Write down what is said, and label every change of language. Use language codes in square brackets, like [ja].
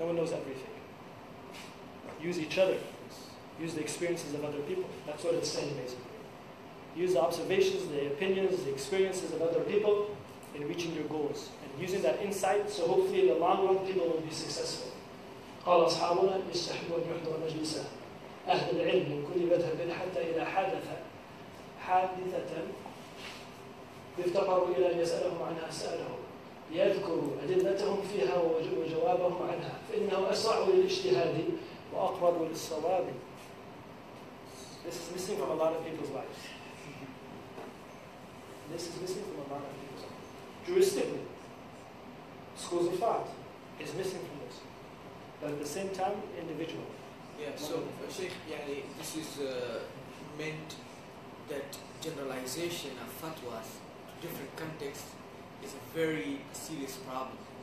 [en] No one knows everything. Use each other. Use the experiences of other people. That's what it's saying, basically. Use the observations, the opinions, the experiences of other people in reaching your goals. And using that insight, so hopefully in the long run, people will be successful. [ar] قال أصحابنا يستحبون يحضر مجلس أهل العلم من كل مذهب حتى إذا حدث حادثة يفتقروا إلى أن يسألهم عنها سألهم ليذكروا أدلتهم فيها وجوابهم عنها فإنه أسرع للاجتهاد وأقرب للصواب. [en] This is missing from a lot of people's lives. This is missing from a lot of people's lives. Juristically, schools of thought is missing from this. But at the same time, individual. Yeah, so, Sheikh, yani, this is meant that generalization of fatwas to different contexts is a very serious problem.